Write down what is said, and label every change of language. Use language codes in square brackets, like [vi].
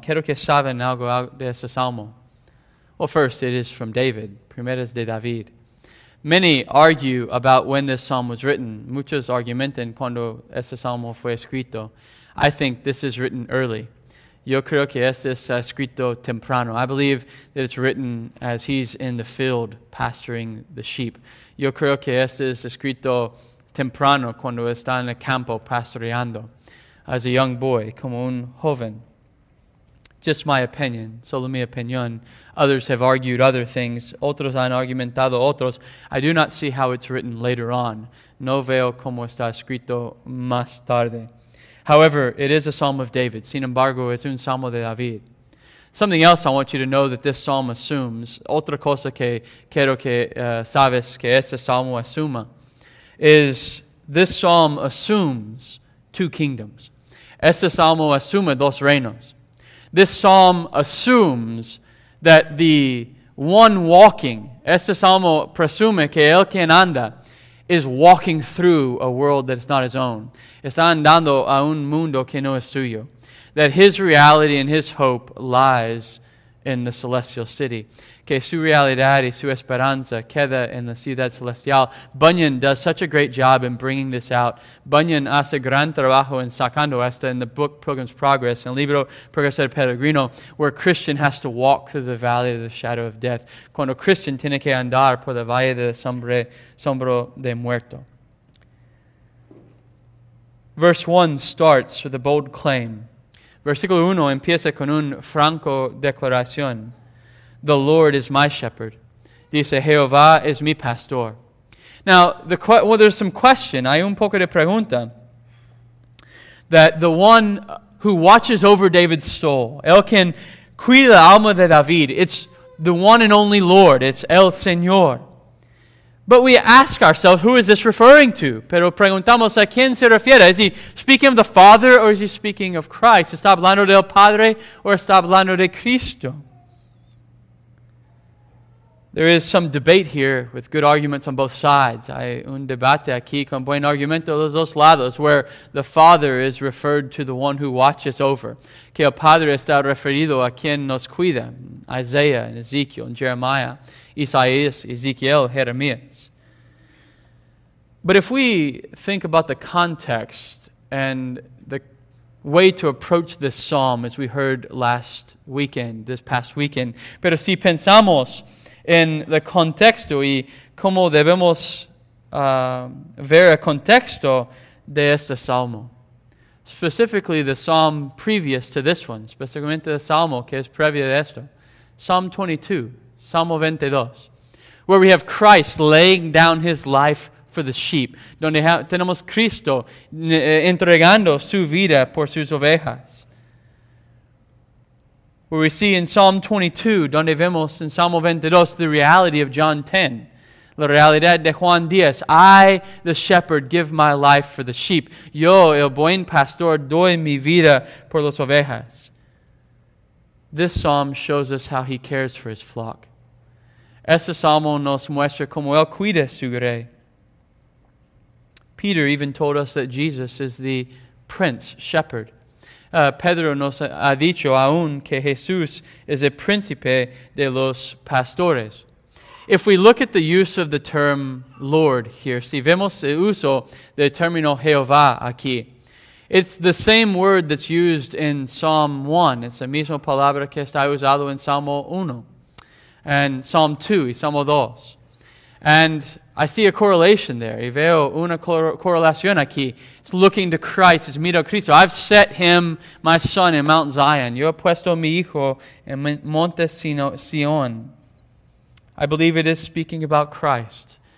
[es] Quiero que saben algo de este salmo. [en] Well, first, it is from David. [es] Primero es de David. [en] Many argue about when this psalm was written. [es] Muchos argumentan cuando este salmo fue escrito. [en] I think this is written early. [es] Yo creo que este es escrito temprano. [en] I believe that it's written as he's in the field pasturing the sheep. [es] Yo creo que este es escrito temprano, cuando está en el campo pastoreando, [en] as a young boy, [es] como un joven. [en] Just my opinion, [es] solo mi opinión. [en] Others have argued other things. [es] Otros han argumentado otros. [en] I do not see how it's written later on. [es] No veo cómo está escrito más tarde. [en] However, it is a psalm of David. [es] Sin embargo, es un salmo de David. [en] Something else I want you to know that this psalm assumes, [es] otra cosa que quiero que sabes que este salmo asuma, [en] is this psalm assumes two kingdoms. [es] Este salmo asume dos reinos. [en] this psalm assumes that the one walking, [es] este salmo presume que el quien anda, [en] is walking through a world that is not his own. [es] Está andando a un mundo que no es suyo. [en] That his reality and his hope lies in the celestial city. [es] Que su realidad y su esperanza queda en la ciudad celestial. [en] Bunyan does such a great job in bringing this out. [es] Bunyan hace gran trabajo en sacando esto [en] in the book Pilgrim's Progress, [es] en el libro Progreso del Peregrino, [en] where a Christian has to walk through the valley of the shadow of death. [es] Cuando Christian tiene que andar por el valle de sombro de muerto. [en] Verse 1 starts with a bold claim. [es] Versículo 1 empieza con un franco declaración. [en] The Lord is my shepherd. [es] Dice, Jehová es mi pastor. [en] Now, there's some question. [es] Hay un poco de pregunta. [en] That the one who watches over David's soul, [es] el quien cuida la alma de David, [en] it's the one and only Lord. [es] It's el Señor. [en] But we ask ourselves, who is this referring to? [es] Pero preguntamos, ¿a quién se refiere? [en] Is he speaking of the Father or is he speaking of Christ? [es] ¿Está hablando del Padre or está hablando de Cristo? [en] There is some debate here with good arguments on both sides. [es] Hay un debate aquí con buen argumento de los dos lados, [en] where the Father is referred to the one who watches over. [es] Que el Padre está referido a quien nos cuida. [en] Isaiah and Ezekiel and Jeremiah. Isaías, Ezequiel, Jeremías. But if we think about the context and the way to approach this psalm, as we heard this past weekend, [es] pero si pensamos en el contexto y cómo debemos ver el contexto de este salmo, [en] specifically the psalm previous to this one, specifically the [es] salmo que es previo a esto, [en] Psalm 22. [es] Salmo 22, where we have Christ laying down his life for the sheep. Donde tenemos Cristo entregando su vida por sus ovejas. [en] Where we see in Psalm 22, [es] donde vemos en Salmo 22, [en] the reality of John 10. [es] La realidad de Juan 10. [en] I, the shepherd, give my life for the sheep. [es] Yo, el buen pastor, doy mi vida por las ovejas. [en] This psalm shows us how he cares for his flock. [es] Este salmo nos muestra cómo él cuida su rey. [en] Peter even told us that Jesus is the prince shepherd. [es] Pedro nos ha dicho aún que Jesús es el príncipe de los pastores. [en] If we look at the use of the term Lord here, [es] si vemos el uso del término Jehová aquí, [en] it's the same word that's used in Psalm 1. [es] It's la misma palabra que está usado en Salmo 1. [en] And Psalm 2, [es] y Salmo 2. [en] And I see a correlation there. [es] Y veo una correlación aquí. [en] It's looking to Christ. It's [es] mirando a Cristo. [en] I've set him, my son, in Mount Zion. [es] Yo he puesto mi hijo en Monte Sion. [en] I believe it is speaking about Christ.